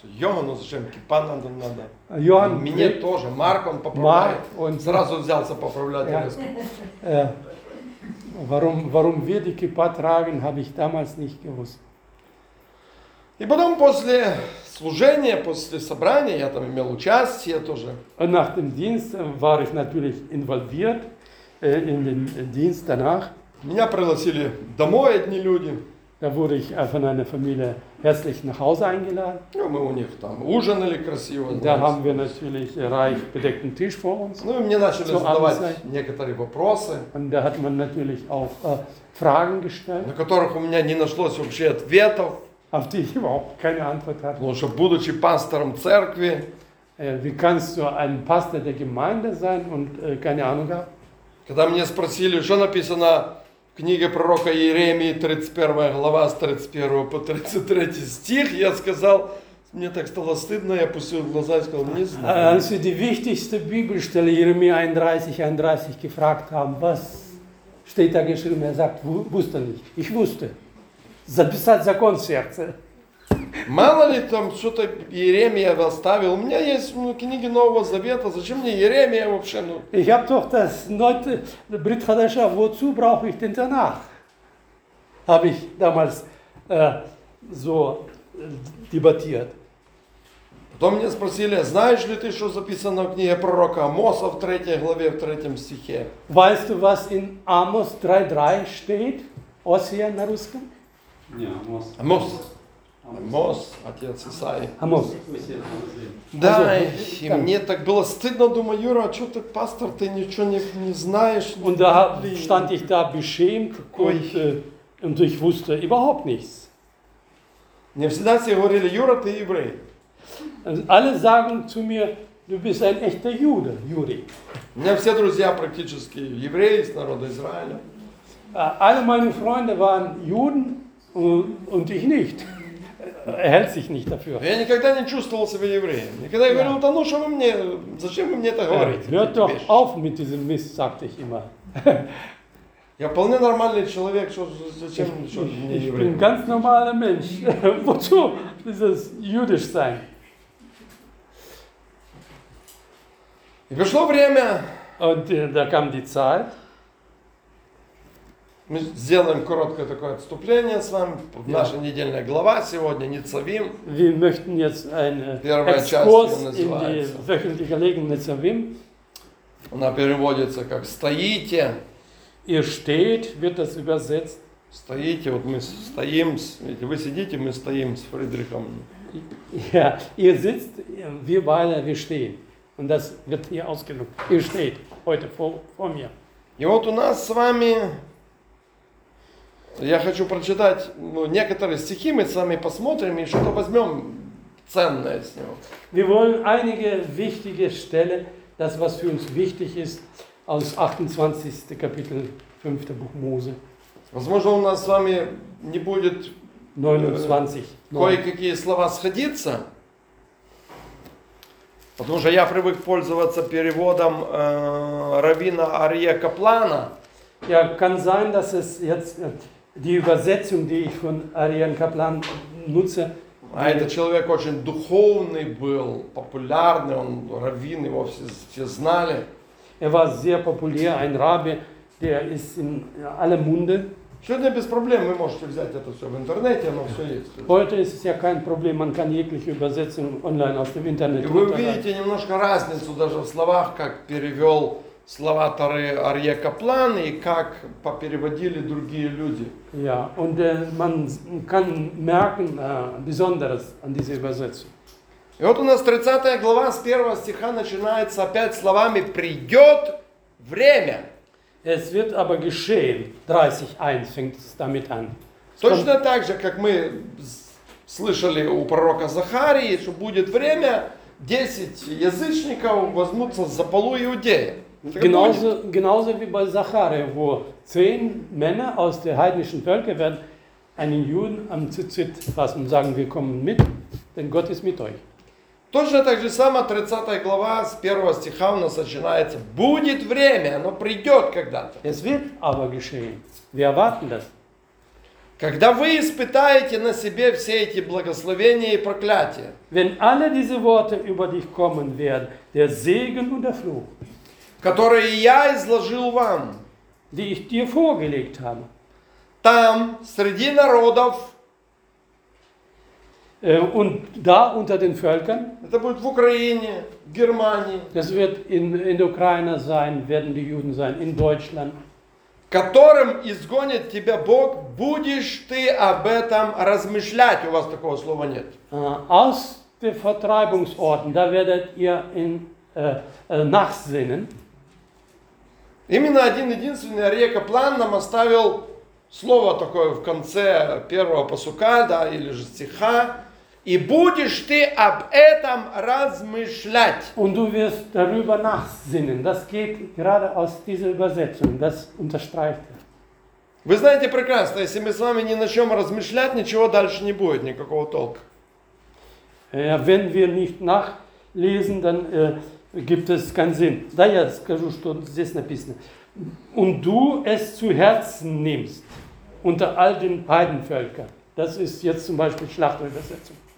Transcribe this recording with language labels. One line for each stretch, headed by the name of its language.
Russian: Johann, ну зачем кипа надо? Johann, мне тоже. Марк, он поправляет. Он сразу взялся поправлять резко.
German: Warum wir die кипа tragen, habe ich damals nicht gewusst.
Russian: И потом после служения, после собрания, я там имел участие тоже.
German: Und nach dem Dienst war ich natürlich involviert in den Dienst danach.
Russian: Меня пригласили домой одни люди.
German: Da wurde ich von einer Familie herzlich nach Hause eingeladen.
Russian: Ja, мы у них там ужинали красиво.
German: Und da haben wir natürlich reich bedeckten Tisch vor uns.
Russian: Ну и мне начали задавать некоторые вопросы.
German: Und da hat man natürlich auch Fragen gestellt.
Russian: На которых у меня не нашлось вообще ответов.
German: Auf die ich überhaupt keine Antwort hatte.
Russian: Потому что, будучи пастором церкви,
German: wie kannst du ein Pastor der Gemeinde sein und keine Ahnung haben?
Russian: Когда меня спросили, что написано в книге пророка Иеремии, 31 глава, с 31 по 33 стих, я сказал, мне так стало стыдно, я опустил глаза и сказал, не знаю.
German: Also die wichtigste Bibelstelle, Jeremia 31, gefragt haben, was steht da geschrieben? Er sagt, wusste nicht. Ich wusste.
Russian: Записать закон в сердце. Мало ли там что-то Иеремия оставил. У меня есть книги Нового Завета. Зачем мне Иеремия вообще? Ну?
German: Ich habe doch das neue Brit Chadasha. Wozu brauche ich den Tanach? Habe ich damals so debattiert.
Russian: Потом меня спросили, знаешь ли ты, что записано в книге пророка Амоса в 3 главе, в 3 стихе?
German: Weißt du, was in Amos 3.3 steht?
Russian: Осия на русском? Не, Амос. Амос. Отец Исаии. Амос. Да, и мне так было стыдно, думаю, Юра, а что ты пастор, ты ничего не знаешь.
German: Und da stand ich da beschämt und ich wusste überhaupt nichts.
Russian: Мне всегда все говорили, Юра, ты еврей.
German: Alle sagen zu mir, du bist ein echter Jude, Юрий.
Russian: У меня все друзья практически евреи из народа Израиля.
German: Alle meine Freunde waren Juden. Und ich nicht. Er hält sich nicht dafür.
Russian: Я никогда не чувствовал себя евреем. Никогда я говорил, да ну что вы мне, зачем вы мне это говорите?
German: Hört doch auf mit diesem Mist, sagte ich immer.
Russian: Я вполне нормальный человек, зачем мне евреем?
German: Ich bin ganz normaler Mensch. Wozu dieses jüdisch sein?
Russian: И пришло время.
German: Und da kam die Zeit.
Russian: Мы сделаем короткое такое отступление с вами. Наша недельная глава сегодня Ницавим.
German: Wir möchten jetzt eine
Russian: первая экскурс часть,
German: in die wöchentliche Lektion Ницавим.
Russian: Она переводится как «стоите».
German: Ihr steht, wird das übersetzt.
Russian: «Стоите», вот мы стоим, вы сидите, мы стоим с Фридрихом.
German: Ja, ihr sitzt, wir beide, wir stehen. Und das wird hier ausgedrückt. Ihr steht heute vor mir.
Russian: И вот у нас с вами... Я хочу прочитать некоторые стихи, мы с вами посмотрим и что-то возьмем ценное с него.
German: Wir wollen einige wichtige Stelle, das was für uns wichtig ist, aus 28. Kapitel 5. Buch Mose.
Russian: Возможно, у нас с вами не будет 29. Кое-какие слова сходиться, потому что я привык пользоваться переводом Равина Арье Каплана.
German: Ja, kann sein, dass es jetzt... Die Übersetzung, die ich von Ariane Kaplan nutze,
Russian: А этот человек очень духовный был, популярный, он раввин, его все знали. Сегодня без проблем вы можете взять это все в интернете, оно все есть.
German: Heute ist es ja kein Problem, man kann jegliche Übersetzung online aus dem Internet.
Russian: И вы видите немножко разницу даже в словах, как перевел слова Тары Арье Каплан и как попереводили другие люди.
German: Ja, und man kann merken besonders an dieser Übersetzung.
Russian: И вот у нас 30 глава с 1 стиха начинается опять словами «Придет время».
German: Es wird aber geschehen. 30:1 fängt es damit an.
Russian: Точно так же, как мы слышали у пророка Захарии, что будет время, 10 язычников возьмутся за полу Иудеи.
German: Genauso wie bei Zacharia, wo 10 Männer aus der heidnischen Völker werden einen Juden am Zitzit fassen und sagen, wir kommen mit, denn Gott ist mit euch.
Russian: Точно так же сама 30 глава с 1 стиха у нас начинается. Будет время, оно придет когда-то.
German: Es wird aber geschehen. Wir erwarten das.
Russian: Когда вы испытаете на себе все эти благословения и проклятия.
German: Wenn alle diese Worte über dich kommen werden, der Segen und der Fluch.
Russian: Которые я изложил вам.
German: Die ich dir vorgelegt habe.
Russian: Там, среди народов.
German: Und da unter den Völkern.
Russian: Это будет в Украине, в Германии.
German: Das wird in der Ukraine sein, werden die Juden sein, in Deutschland.
Russian: Которым изгонит тебя Бог, будешь ты об этом размышлять. У вас такого слова нет.
German: Aus den Vertreibungsorten, da werdet ihr nachsinnen.
Russian: Именно один единственный Арье Каплан нам оставил слово такое в конце первого пасука, да, или же стиха. И будешь ты об этом размышлять.
German: Und du wirst darüber nachsinnen. Das geht gerade aus dieser Übersetzung. Das unterstreicht.
Russian: Вы знаете прекрасно, если мы с вами ни на чем размышлять, ничего дальше не будет, никакого толка.
German: Wenn wir nicht nachlesen, dann gibt es keinen Sinn.
Russian: Да, я скажу, что здесь написано.
German: Und du es zu Herzen nimmst unter all den Heidenvölkern. Das ist jetzt zum Beispiel Schlachtübersetzung.